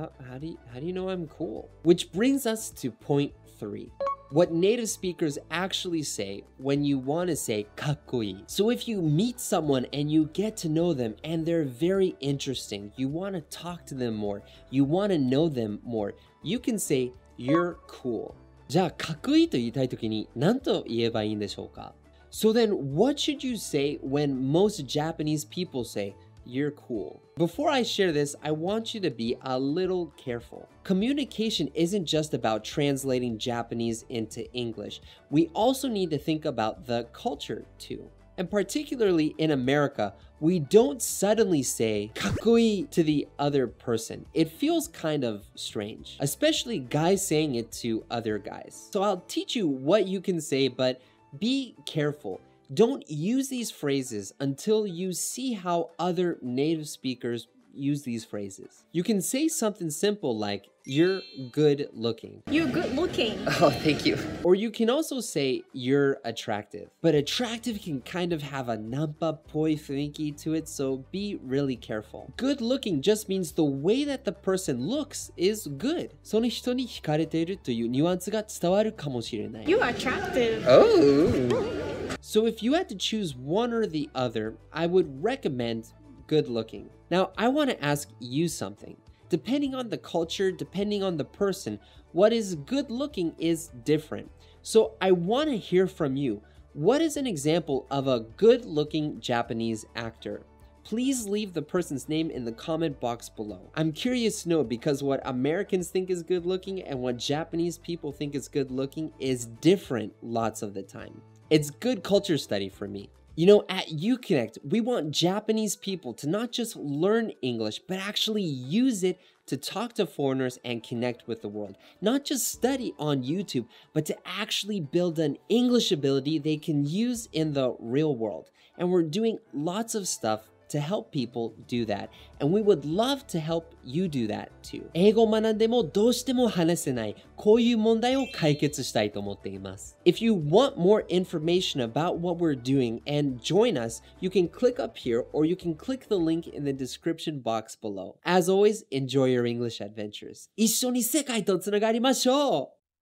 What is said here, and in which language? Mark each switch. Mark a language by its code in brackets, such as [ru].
[en] How do you know I'm cool? Which brings us to point 3. What native speakers actually say when you want to say かっこいい. So if you meet someone and you get to know them and they're very interesting, you want to talk to them more, you want to know them more, you can say you're cool. [ja] じゃあかっこいいと言いたい時に何と言えばいいんでしょうか? [en] So then what should you say when most Japanese people say you're cool. Before I share this, I want you to be a little careful. Communication isn't just about translating Japanese into English. We also need to think about the culture too. And particularly in America, we don't suddenly say kakui to the other person. It feels kind of strange, especially guys saying it to other guys. So I'll teach you what you can say, but be careful. Don't use these phrases until you see how other native speakers use these phrases. You can say something simple like, you're good looking. You're good looking. Oh, thank you. Or you can also say, you're attractive. But attractive can kind of have a [ja] nampa poi finiki [en] to it, so be really careful. Good looking just means the way that the person looks is good. [ja] その人に惹かれているというニュアンスが伝わるかもしれない。 [en] You're attractive. Oh. So if you had to choose one or the other, I would recommend good looking. Now, I want to ask you something. Depending on the culture, depending on the person, what is good looking is different. So I want to hear from you. What is an example of a good looking Japanese actor? Please leave the person's name in the comment box below. I'm curious to know because what Americans think is good looking and what Japanese people think is good looking is different lots of the time. It's good culture study for me. You know, at IU-Connect, we want Japanese people to not just learn English, but actually use it to talk to foreigners and connect with the world. Not just study on YouTube, but to actually build an English ability they can use in the real world. And we're doing lots of stuff to help people do that. And we would love to help you do that too. [ja] 英語を学んでもどうしても話せない、こういう問題を解決したいと思っています。 [en] If you want more information about what we're doing and join us, you can click up here or you can click the link in the description box below. As always, enjoy your English adventures. [ja] 一緒に世界とつながりましょう!